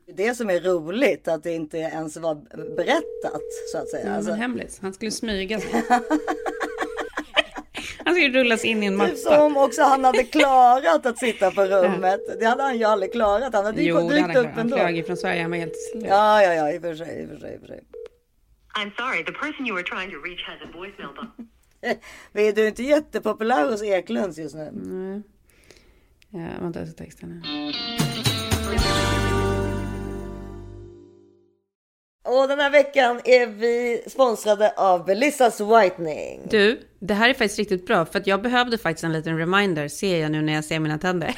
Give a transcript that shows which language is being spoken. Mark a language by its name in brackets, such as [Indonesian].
[Swedish] Det som är roligt, att det inte ens var berättat, så att säga. Mm, alltså... hemligt. Han skulle smyga sig. Han skulle rullas in i en matta. Typ som också han hade klarat att sitta på rummet. Det hade han ju aldrig klarat. Han hade ju dykt upp ändå. Han flög ifrån Sverige, han var helt slut. Ja, i och för sig. [English] I'm sorry, the person you were trying to reach has a voicemail button. [Swedish] Du är inte jättepopulär hos Eklunds just nu. Nej. Ja, vänta, jag ska texta nu. Och den här veckan är vi sponsrade av Belissas Whitening. Du, det här är faktiskt riktigt bra, för att jag behövde faktiskt en liten reminder, ser jag nu när jag ser mina tänder.